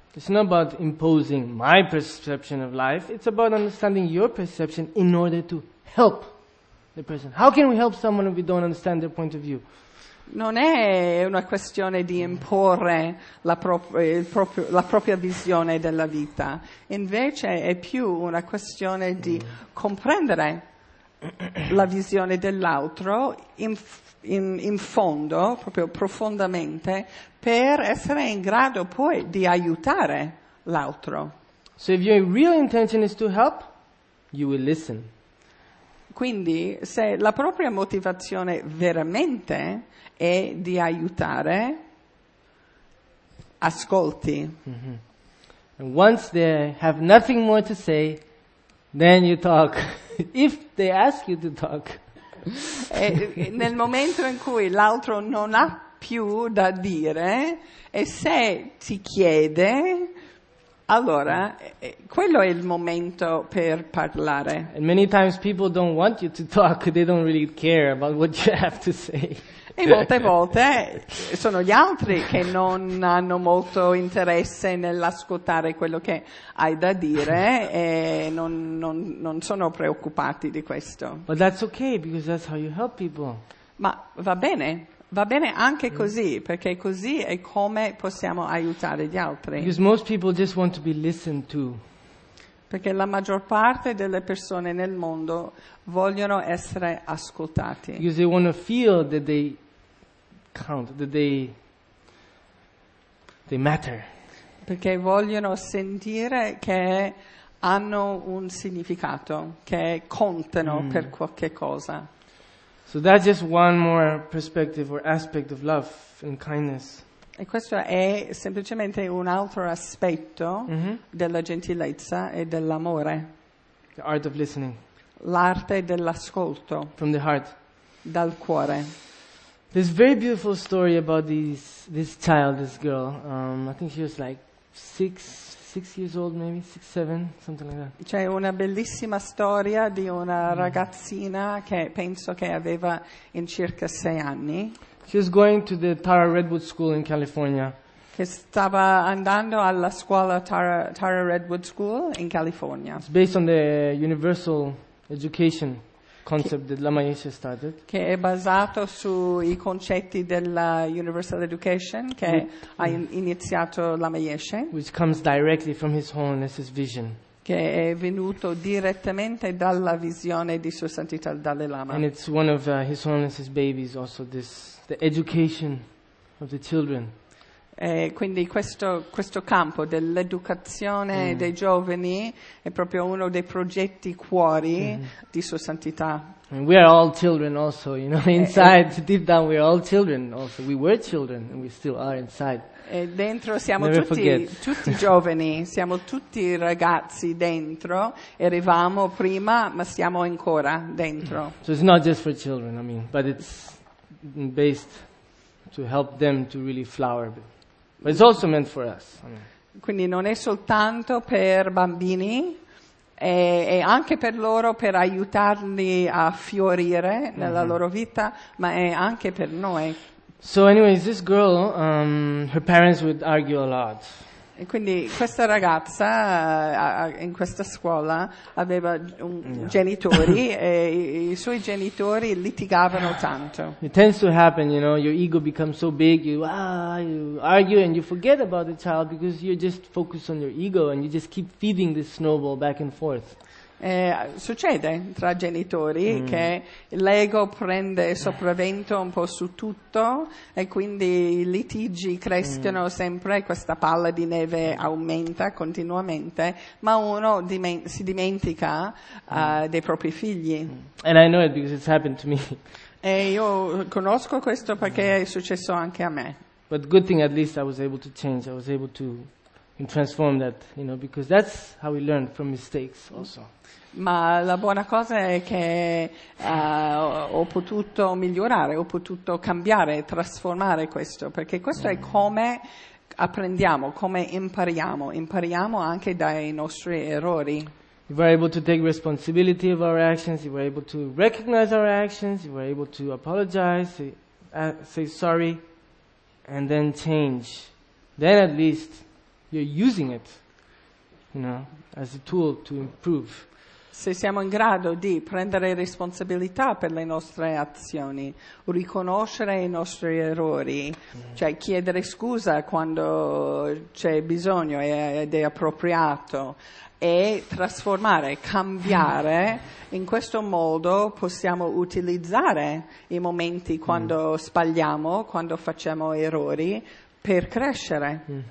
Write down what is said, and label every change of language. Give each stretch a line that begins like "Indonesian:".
English: It's not about imposing my perception of life, it's about understanding your perception in order to help the person. How can we help someone if we don't understand their point of view?
Italian: Non è una questione di imporre la propria visione della vita, invece è più una questione di comprendere la visione dell'altro in fondo, proprio profondamente, per essere in grado poi di aiutare l'altro.
English: So if your real intention is to help, you will listen.
Italian: Quindi se la propria motivazione veramente è di aiutare, ascolti.
English: And once they have nothing more to say, then you talk. If they ask you to talk.
Italian: Nel momento in cui l'altro non ha più da dire, e se ti chiede, Allora, quello è il momento per parlare.
English: And many times people don't want you to talk, they don't really care about what you have to say.
Italian: E molte volte sono gli altri che non hanno molto interesse nell'ascoltare quello che hai da dire e non sono preoccupati di questo.
English: But that's okay, because that's how you help people.
Italian: Ma va bene anche così, perché così è come possiamo aiutare gli altri.
English: Because most people just want to be listened to.
Italian: Perché la maggior parte delle persone nel mondo vogliono essere ascoltati.
English: Because they want to feel that they count, that they matter.
Italian: Perché vogliono sentire che hanno un significato, che contano per qualche cosa.
English: So that's just one more perspective or aspect of love and kindness.
Italian: E questo è semplicemente un altro aspetto della gentilezza e dell'amore.
English: The art of listening.
Italian: L'arte dell'ascolto.
English: From the heart.
Italian: Dal cuore.
English: This very beautiful story about this child, this girl. I think she was like six years old, maybe six, seven, something like that.
Italian: C'è una bellissima storia di una ragazzina che penso che aveva in circa sei anni.
English: She was going to the Tara Redwood School in California.
Italian: Che stava andando alla scuola Tara Redwood School in California.
English: It's based on the universal education concept that Lama Yeshe started.
Italian: Che è basato sui concetti della
English: universal education
Italian: che ha iniziato Lama Yeshe.
English: Which comes directly from His Holiness, His vision.
Italian: Che è venuto direttamente dalla visione di Sua Santità Dalai Lama.
English: And it's one of His Holiness's babies also, this, the education of the children.
Italian: Quindi questo campo dell'educazione dei giovani è proprio uno dei progetti cuori di Sua Santità.
English: And we are all children also, you know, inside, deep down we are all children also. We were children and we still are inside.
Italian: E dentro siamo tutti giovani, siamo tutti ragazzi dentro, eravamo prima ma siamo ancora dentro.
English: So it's not just for children, I mean, but it's based to help them to really flower. But it's also meant for us.
Italian: Quindi non è soltanto per bambini, è anche per loro, per aiutarli a fiorire nella loro vita, ma è anche per noi.
English: So anyways, this girl, her parents would argue a lot.
Italian: E quindi questa ragazza in questa scuola aveva genitori e i suoi genitori litigavano tanto.
English: It tends to happen, you know, your ego becomes so big, you argue and you forget about the child because you just focus on your ego and you just keep feeding this snowball back and forth.
Italian: Succede tra genitori che l'ego prende sopravvento un po' su tutto e quindi i litigi crescono sempre, questa palla di neve aumenta continuamente, ma uno si dimentica dei propri figli.
English: And I know it because it's happened to me.
Italian: E io conosco questo perché è successo anche a me.
English: But good thing at least I was able to change, I was able to transform that, you know, because that's how we learn from mistakes also.
Italian: Ma la buona cosa è che ho potuto migliorare, ho potuto cambiare, trasformare questo, perché questo è come apprendiamo, come impariamo. Impariamo anche dai nostri errori.
English: We were able to take responsibility of our actions, we were able to recognize our actions, we were able to apologize, say sorry, and then change. Then at least you're using it, you know, as a tool to improve.
Italian: Se siamo in grado di prendere responsabilità per le nostre azioni, riconoscere i nostri errori, cioè chiedere scusa quando c'è bisogno ed è appropriato, e trasformare, cambiare, in questo modo possiamo utilizzare i momenti quando sbagliamo, quando facciamo errori, per crescere.